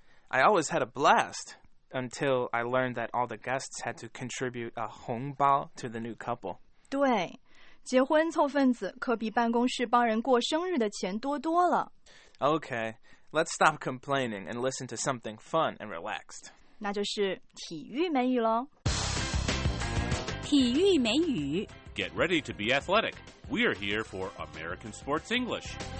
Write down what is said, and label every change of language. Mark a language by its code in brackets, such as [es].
[en] I always had a blast until I learned that all the guests had to contribute a 红包 to the new couple. [zh] 对，结婚凑份子可比办公室帮人过生日的钱多多了。 [en] Okay. Let's stop complaining and listen to something fun and relaxed. [zh] 那就是体育美语咯。体育美语。 [en] Get ready to be athletic. We are here for American Sports English.